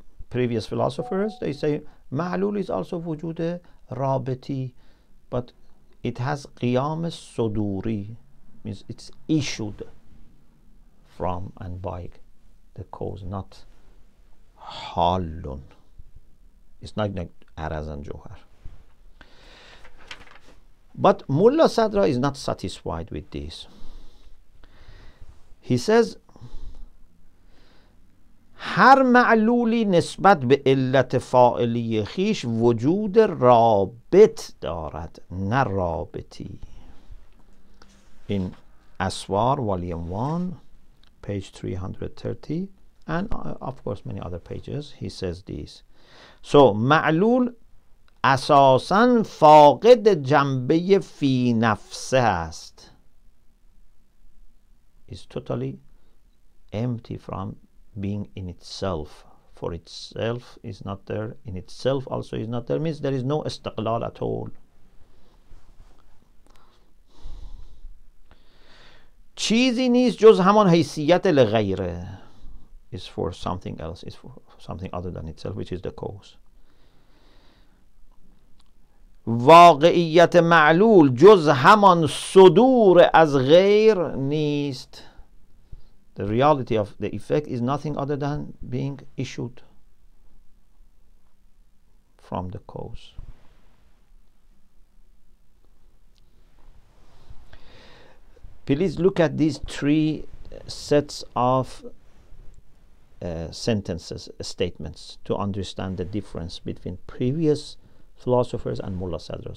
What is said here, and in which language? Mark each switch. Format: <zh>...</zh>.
<en>Previous philosophers, they say ma'lul is also wujud rabati, but it has qiyam suduri, means it's issued from and by the cause, not halun. It's not like araz and johar. But Mulla Sadra is not satisfied with this. He says</en> <fa>هر معلولی نسبت به علت فاعلی خیش وجود رابط دارد نه رابطی.</fa> <en>In Aswar volume 1 page 330 and of course many other pages he says this.</en> <fa>So معلول اساسا فاقد جنبه فی نفسه است.</fa> <en>Is totally empty from being in itself. For itself is not there. In itself also is not there. Means there is no استقلال at all.</en> <fa>چیزی نیست جز همان حیثیت لغیره.</fa> <en>Is for something else. Is for something other than itself, which is the cause.</en> <fa>واقعیت معلول جز همان صدور از غیر نیست.</fa> <en>The reality of the effect is nothing other than being issued from the cause. Please look at these three sets of sentences, statements, to understand the difference between previous philosophers and Mulla Sadra.</en>